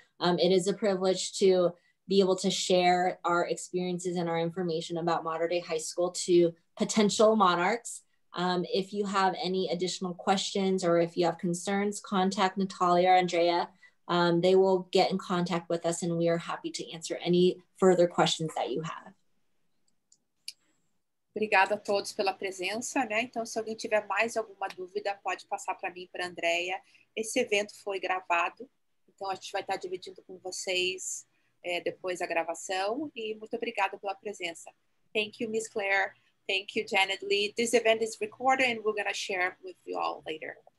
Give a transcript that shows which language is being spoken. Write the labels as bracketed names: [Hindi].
[English] It is a privilege to be able to share our experiences and our information about Mater Dei High School to potential monarchs. If you have any additional questions or if you have concerns, contact Natalia or Andrea. They will get in contact with us and we are happy to answer any further questions that you have. [Portuguese] Obrigada a todos pela presença, né? Então, se alguém tiver mais alguma dúvida, pode passar para mim, para Andrea. Esse evento foi gravado, então a gente vai estar dividindo com vocês depois a gravação. E muito obrigada pela presença. [English] Thank you, Ms. Claire. Thank you, Janet Lee. This event is recorded and we're going to share it with you all later.